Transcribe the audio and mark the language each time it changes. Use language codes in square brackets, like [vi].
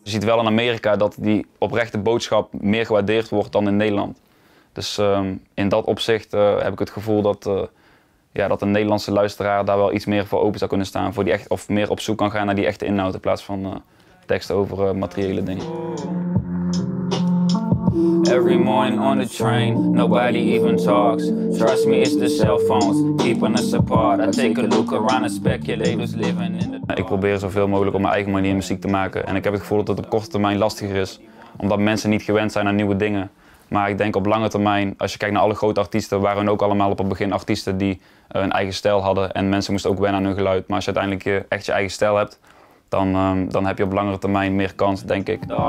[nl] Je ziet wel in Amerika dat die oprechte boodschap meer gewaardeerd wordt dan in Nederland. Dus in dat opzicht heb ik het gevoel dat een Nederlandse luisteraar daar wel iets meer voor open zou kunnen staan. Voor die echt, of meer op zoek kan gaan naar die echte inhoud in plaats van teksten over materiële dingen. [en] Every morning on the train, nobody even talks. Trust me, it's the cell phones keeping us apart. I take a look around the speculators living in the dark. [nl] Ik probeer zoveel mogelijk op mijn eigen manier muziek te maken. En ik heb het gevoel dat het op korte termijn lastiger is, omdat mensen niet gewend zijn aan nieuwe dingen. Maar ik denk op lange termijn, als je kijkt naar alle grote artiesten, waren hun ook allemaal op het begin artiesten die een eigen stijl hadden. En mensen moesten ook wennen aan hun geluid. Maar als je uiteindelijk echt je eigen stijl hebt, dan heb je op langere termijn meer kans, denk ik.